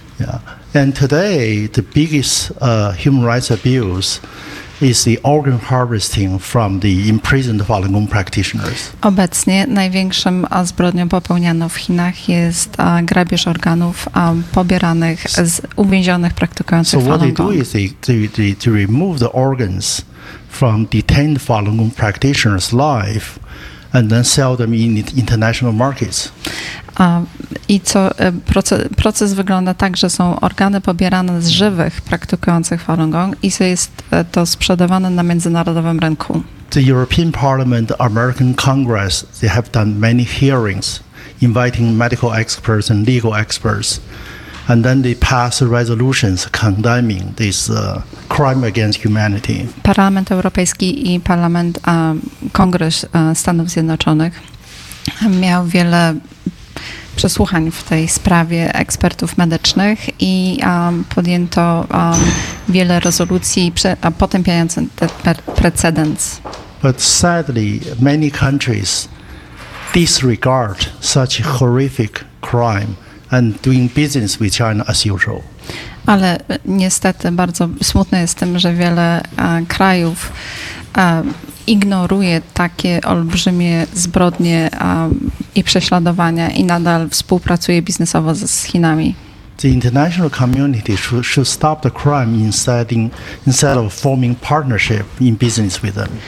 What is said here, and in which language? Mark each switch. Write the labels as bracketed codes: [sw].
[en] Yeah. And today the biggest human rights abuse is the organ harvesting from the imprisoned Falun Gong practitioners. [pl] Obecnie największym zbrodnią popełnianą w Chinach jest grabież organów pobieranych z uwięzionych praktykujących Falun Gong. [en] So what they do is they remove the organs from detained Falun Gong practitioners' life and then sell them in international markets. [pl] I co proces wygląda tak, że są organy pobierane z żywych praktykujących Falun Gong i jest to sprzedawane na międzynarodowym rynku. [en] The European Parliament, American Congress, they have done many hearings inviting medical experts and legal experts, and then they pass resolutions condemning this crime against humanity. [pl] Parlament Europejski i Parlament Kongres Stanów Zjednoczonych miał wiele przesłuchań w tej sprawie ekspertów medycznych i podjęto wiele rezolucji potępiających ten precedens. [en] But sadly, many countries disregard such horrific crime and doing business with China as usual. [pl] Ale niestety bardzo smutne jest tym, że wiele krajów ignoruje takie olbrzymie zbrodnie i prześladowania i nadal współpracuje biznesowo z Chinami. [en] The international community should stop the crime instead of forming partnership in business with them.